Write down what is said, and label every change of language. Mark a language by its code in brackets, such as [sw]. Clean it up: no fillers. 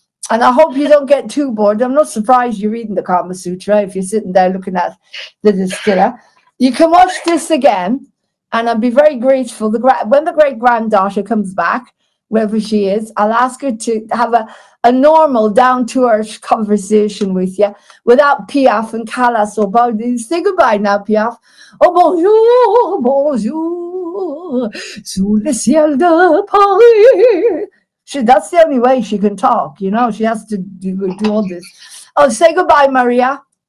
[en] And I hope you don't get too bored. I'm not surprised you're reading the Kama Sutra if you're sitting there looking at the distiller. You can watch this again. And I'd be very grateful. When the great-granddaughter comes back, wherever she is, I'll ask her to have a normal, down-to-earth conversation with you without Piaf and Callas or Bobby. Say goodbye now, Piaf. [fr] Oh, bonjour, bonjour, sous le ciel de Paris. [en] That's the only way she can talk, you know. She has to do all this. Oh, say goodbye, Maria.